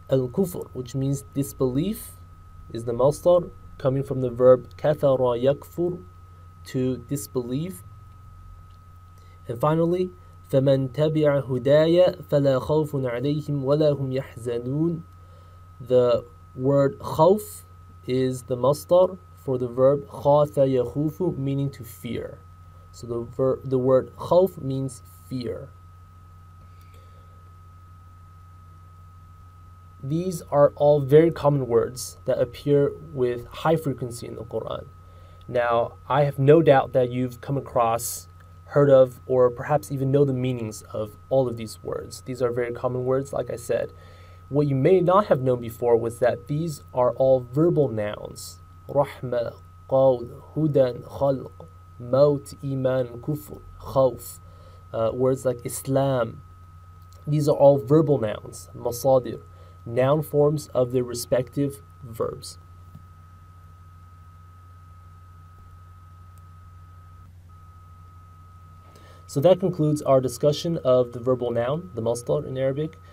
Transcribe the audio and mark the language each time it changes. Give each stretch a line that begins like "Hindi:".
English: الْكُفْرِ, which means disbelief, is the masdar, coming from the verb كَثَرَ يَكْفُرْ, to disbelieve. And finally,
Arabic: فَمَنْ تَبِعَ هُدَايَ فَلَا خَوْفٌ عَلَيْهِمْ وَلَا هُمْ يَحْزَنُونَ.
English: The word khawf is the masdar for the verb khafa yakhufu, meaning to fear. So the word khawf means fear. These are all very common words that appear with high frequency in the Quran. Now, I have no doubt that you've come across, heard of, or perhaps even know the meanings of all of these words. These are very common words, like I said. What you may not have known before was that these are all verbal nouns.
Arabic: رحمة, قول, هدن, خلق, موت, إيمان, كفر, خوف.
English: Words like Islam. These are all verbal nouns.
Arabic: مصادر.
English: Noun forms of their respective verbs. So that concludes our discussion of the verbal noun, the masdar in Arabic.